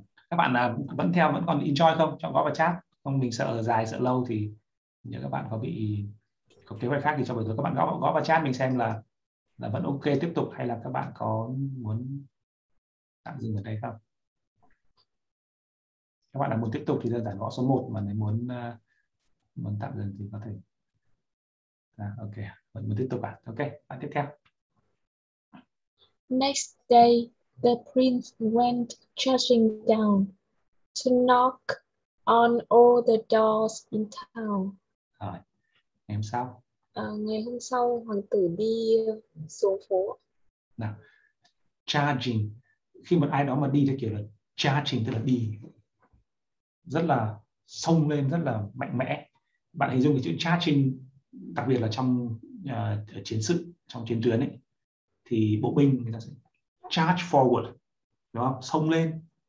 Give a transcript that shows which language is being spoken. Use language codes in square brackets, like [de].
[vi] Các bạn vẫn theo, vẫn còn enjoy không? Chọn gõ vào chat. Không, mình sợ dài, sợ lâu thì nếu các bạn có bị có kế hoạch khác thì cho buổi tối các bạn gõ vào chat mình xem là vẫn ok tiếp tục hay là các bạn có muốn tạm dừng ở đây không? Các bạn là muốn tiếp tục thì đơn giản gõ số 1, mà nếu muốn muốn tạm dừng thì có thể ok, vẫn muốn tiếp tục à? Ok, bạn tiếp theo. [en] Next day, the prince went charging down to knock on all the doors in town. [vi] Rồi, ngày hôm sau. Ngày hôm sau, hoàng tử đi xuống phố. Nào, charging. Khi mà ai đó mà đi theo kiểu là charging, tức là đi rất là xông lên, rất là mạnh mẽ. Bạn hình dung cái chữ charging, đặc biệt là trong chiến sự, trong chiến tuyến ấy, thì bộ binh người ta sẽ [en] charge forward, [vi] đúng không? Xông lên.